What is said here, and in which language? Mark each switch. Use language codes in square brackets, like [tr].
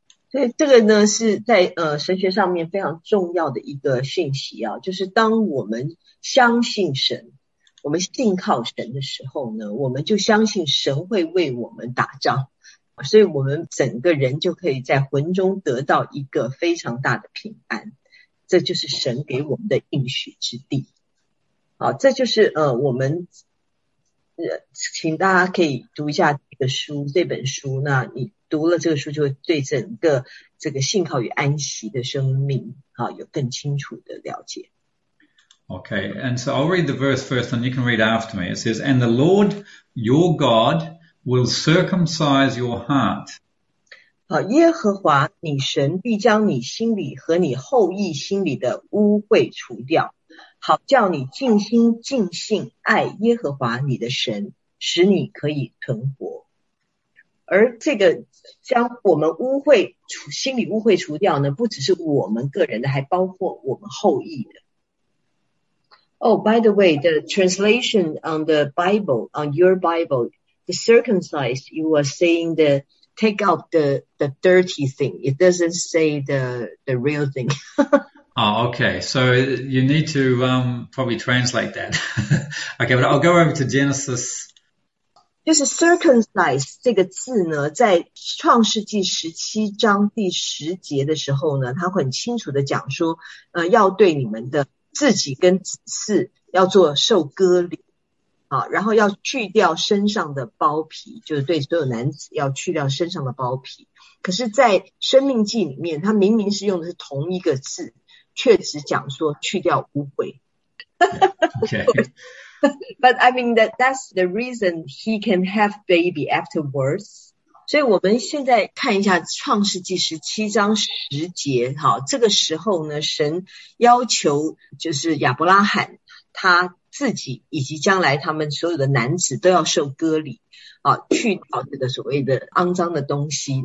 [zh] 所以这个呢是在神学上面非常重要的一个讯息啊，就是当我们相信神，我们信靠神的时候呢，我们就相信神会为我们打仗，所以我们整个人就可以在魂中得到一个非常大的平安，这就是神给我们的应许之地。好，这就是我们请大家可以读一下这个书，这本书，那你读了这个书就对整个这个信靠与安息的生命好有更清楚的了解。 [en] Okay, and so I'll read the verse first and you can read after me. It says, and the Lord your God will circumcise your heart. [zh] 耶和华你神必将你心里和你后裔心里的污秽除掉，好叫你尽心尽性爱耶和华你的神，使你可以存活。而这个将我们污秽心里污秽除掉呢，不只是我们个人的，还包括我们后裔的。 [en] Oh, by the way, the translation on the Bible, on your Bible, the circumcised, you were saying the take out the dirty thing. It doesn't say the real thing. Oh, okay. So you need to probably translate that. Okay, but I'll go over to Genesis. [zh] 就是 circumcised 这个字呢，在创世纪十七章第十节的时候呢，他很清楚的讲说，要对你们的自己跟子嗣要做受割礼，好，然后要去掉身上的包皮，就是对所有男子要去掉身上的包皮。可是在生命记里面，他明明是用的是同一个字，却只讲说去掉污秽。 [en] Okay. But I mean that's the reason he can have baby afterwards. [zh] 所以我们现在看一下创世纪十七章十节，好，这个时候呢，神要求就是亚伯拉罕他自己以及将来他们所有的男子都要受割礼，啊，去掉这个所谓的肮脏的东西。